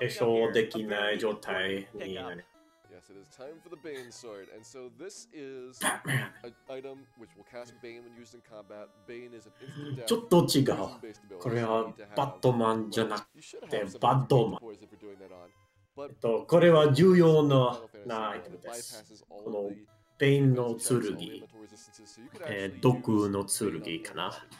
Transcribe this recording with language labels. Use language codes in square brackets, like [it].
[ja] 粧できない状態になる。 [en] Yes, it is time for the Bane Sword, and so this is an item which will cast Bane when used in combat. Bane is an instant death. [ja] ちょっと違う。これはバットマンじゃなくてバッドマン。これは重要なアイテムです。このベインの剣、毒の剣かな。